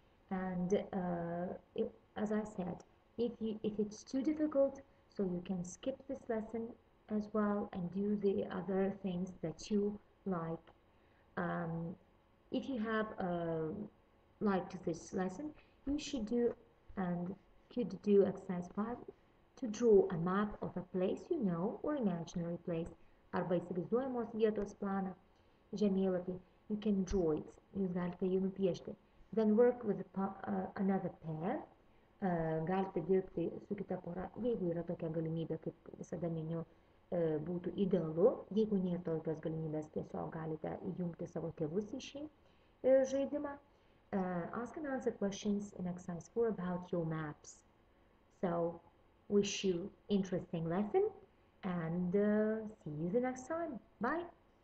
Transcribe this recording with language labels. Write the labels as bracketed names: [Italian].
[English] And as I said, if it's too difficult, so you can skip this lesson as well and do the other things that you like. If you have liked this lesson, you should do and could do exercise 5 to draw a map of a place you know or imaginary place. [Lithuanian] Arba įsivaizduojamos vietos planą, žemėlapį, [English] you can draw it, [Lithuanian] jūs galite jį nupiešti. [English] Then work with another pair, [Lithuanian] galite dirbti su kita pora, jeigu yra tokia galimybė, kaip visada miniu, būtų idealu, jeigu nėra tokios galimybės, tiesiog galite įjungti savo tėvus į šį žaidimą. [English] Ask and answer questions in exercise 4 about your maps. So, wish you interesting lesson and see you the next time. Bye!